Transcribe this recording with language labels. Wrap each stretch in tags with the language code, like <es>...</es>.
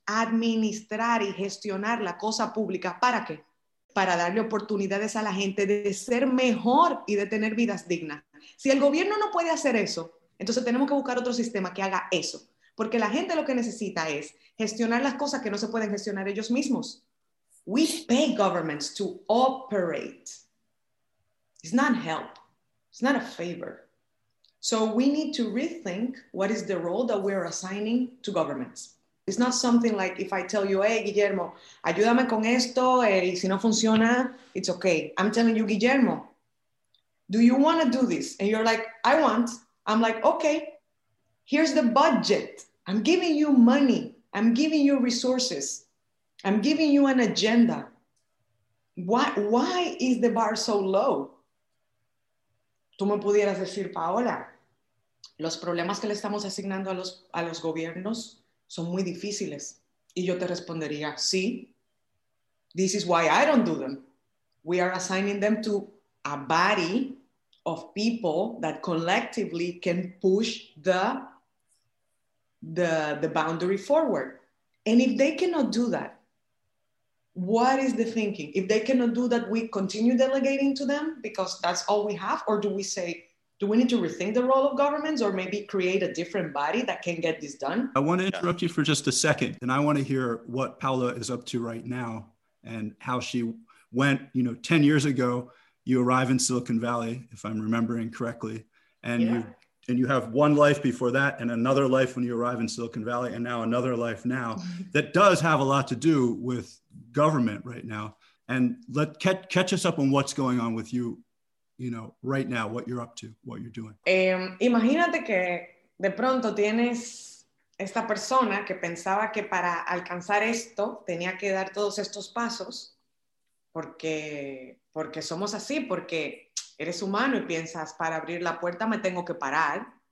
<es>Administrar y gestionar la cosa pública, ¿para qué? Para darle oportunidades a la gente de ser mejor y de tener vidas dignas. Si el gobierno no puede hacer eso, entonces tenemos que buscar otro sistema que haga eso. Porque la gente lo que necesita es gestionar las cosas que no se pueden gestionar ellos mismos.</es> <en>We pay governments to operate. It's not help. It's not a favor. So we need to rethink what is the role that we're assigning to governments. It's not something like if I tell you, hey, Guillermo,</en> <es>ayúdame con esto, y si no funciona,</es> <en>it's okay. I'm telling you, Guillermo, do you want to do this? And you're like, I want. I'm like, okay, here's the budget. I'm giving you money. I'm giving you resources. I'm giving you an agenda. Why is the bar so low?</en> <es>Tú me pudieras decir, Paola, los problemas que le estamos asignando a los gobiernos son muy difíciles. Y yo te respondería, sí.</es> <en>This is why I don't do them. We are assigning them to a body of people that collectively can push the boundary forward. And if they cannot do that, what is the thinking? If they cannot do that, we continue delegating to them because that's all we have? Or do we say, do we need to rethink the role of governments or maybe create a different body that can get this done? I want to interrupt you for just a second, and I want to hear what Paola is up to right now and how she went, you know, 10 years ago, you arrive in Silicon Valley, if I'm remembering correctly, and you have one life before that and another life when you arrive in Silicon Valley and now another life now that does have a lot to do with government right now. And let catch us up on what's going on with you, you know, right now, what you're up to, what you're doing.</en> <es>Imagínate que de pronto tienes esta persona que pensaba que para alcanzar esto tenía que dar todos estos pasos, porque somos así, porque eres humano y piensas, para abrir la puerta me tengo que parar.</es>